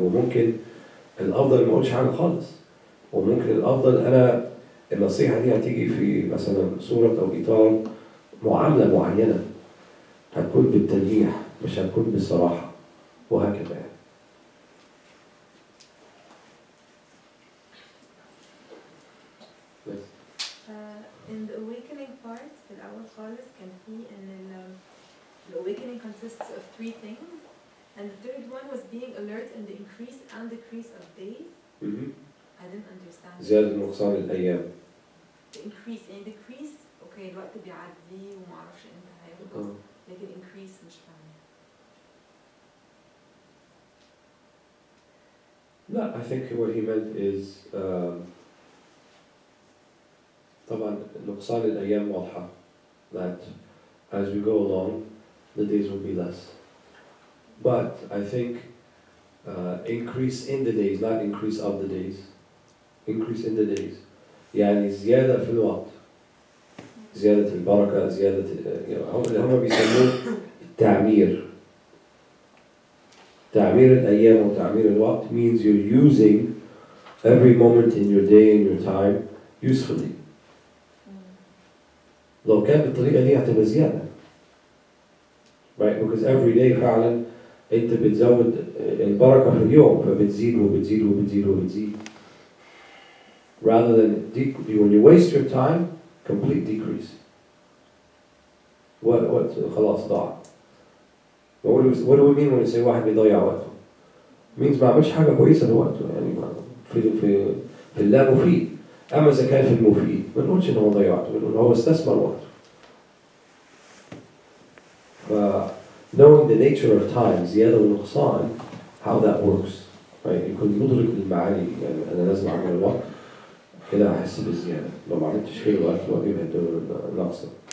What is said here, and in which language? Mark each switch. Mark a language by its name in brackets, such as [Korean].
[Arabic] وممكن الافضل ما اقولش حاجه خالص, وممكن الافضل انا النصيحه دي هتيجي في مثلا صوره او اطار معامله معينه, هتكون بالتلميح مش هتكون بالصراحه وهكذا يعني. [English] In the awakening part [Arabic] في الاول خالص كان في ان [English] The awakening consists of three things, and the third one was being alert in the increase and decrease of days. Mm-hmm. I didn't understand. [Arabic] زيادة نقصان الأيام. [English] The increase and decrease. Okay, [Arabic] الوقت بيعدي وما أعرفش إنت هاي بس. لكن increase مش فاهم. [English] No, I think what he meant is, [Arabic] طبعاً نقصان الأيام واضحة, [English] that as we go along, the days will be less. But I think increase in the days, not increase of the days, increase in the days. [Arabic] يعني زيادة في الوقت, زيادة البركة, زيادة, هم بيسموه التعمير. تعمير الأيام وتعمير الوقت [English] means you're using every moment in your day and your time usefully. [Arabic] لو كان بالطريقة دي هتبقى زيادة. [English] Right? Because every day [Arabic] فعلا انت بتزود البركة في اليوم فبتزيد وبتزيد وبتزيد وبتزيد. [English] Rather than when you waste your time, complete decrease. What [Arabic] خلاص ضاع. [English] What do we mean when we say [Arabic] واحد بيضيع وقته؟ [English] means [Arabic] ما عملش حاجة كويسة لوقته يعني في اللا مفيد. أما إذا كان في المفيد ما نقولش إن هو ضيع وقته، بنقول هو استثمر وقته. [English] Knowing the nature of time, [Arabic] زيادة ونقصان, [English] how that works. Right? [Arabic] يكون مدرك للمعاني يعني أنا لازم أعمل وقت كده أحس بالزيادة، لو ما عملتش خير وقت الوقت يبهدل ناقصة.